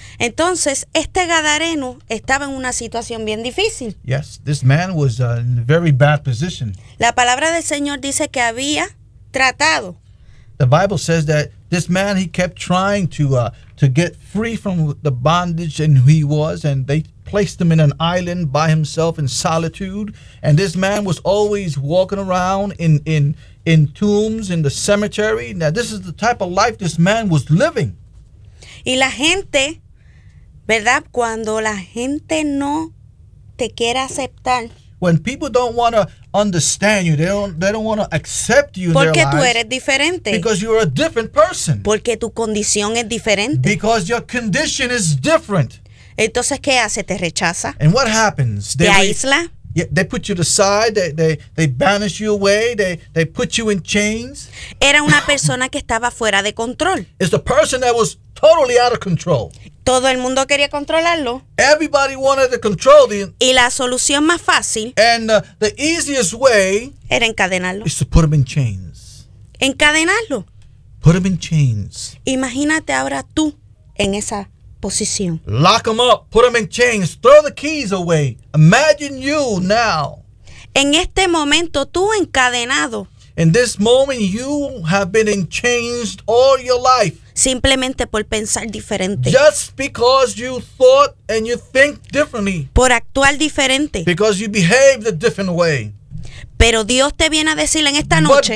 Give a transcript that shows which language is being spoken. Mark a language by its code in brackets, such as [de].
[es] Entonces este gadareno estaba en una situación bien difícil. [en] Yes, this man was in a very bad position. [es] La palabra del Señor dice que había tratado. [en] The Bible says that this man, he kept trying to get free from the bondage and who he was, and they placed him in an island by himself in solitude, and this man was always walking around in tombs, in the cemetery. Now this is the type of life this man was living. [es] Y la gente, ¿verdad? Cuando la gente no te quiere aceptar. [en] When people don't want to understand you, they don't want to accept you in [es] porque [en] their lives. [es] Porque tú eres diferente. [en] Because you're a different person. [es] Porque tu condición es diferente. [en] Because your condition is different. [es] Entonces, ¿qué hace? Te rechaza. [en] And what happens? [es] Te aísla. [en] They put you aside. They banish you away. They put you in chains. [es] Era una persona que estaba fuera de control. [en] It's the person that was totally out of control. [es] Todo el mundo quería controlarlo. [en] Everybody wanted to control him. [es] Y la solución más fácil. [en] And the easiest way. [es] Era encadenarlo. [en] Is to put him in chains. [es] Encadenarlo. [en] Put him in chains. [es] Imagínate ahora tú en esa posición. [en] Lock him up. Put him in chains. Throw the keys away. Imagine you now. [es] En este momento tú encadenado. [en] In this moment you have been in chains all your life. [es] Simplemente por pensar diferente. [en] Just because you thought and you think differently. [es] Por actuar diferente. [en] Because you behaved a different way. [es] Pero Dios te viene a decir en esta noche.